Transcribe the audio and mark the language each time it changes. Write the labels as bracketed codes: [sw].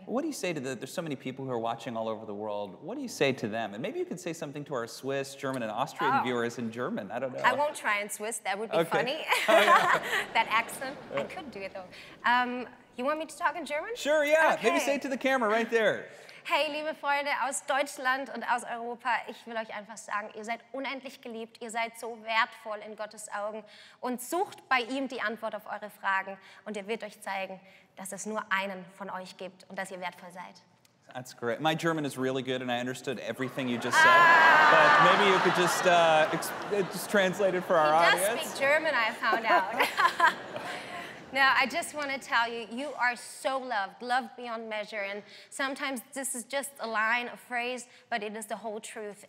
[en] What do you say to the, there's so many people who are watching all over the world. What do you say to them? And maybe you can say something to our Swiss, German, and Austrian viewers in German. I don't know. I won't try in Swiss. That would be funny. Oh, yeah. That accent. I could do it, though. You want me to talk in German? Sure, yeah. Okay. Maybe say it to the camera right there. [de] Hey, liebe Freunde aus Deutschland und aus Europa, ich will euch einfach sagen, ihr seid unendlich geliebt, ihr seid so wertvoll in Gottes Augen, und sucht bei ihm die Antwort auf eure Fragen, und er wird euch zeigen, dass es nur einen von euch gibt und dass ihr wertvoll seid. [en] That's great. My German is really good, and I understood everything you just said. But maybe you could just translate it for our audience. He does speak German, I found out. Now, I just want to tell you, you are so loved, loved beyond measure. And sometimes this is just a line, a phrase, but it is the whole truth.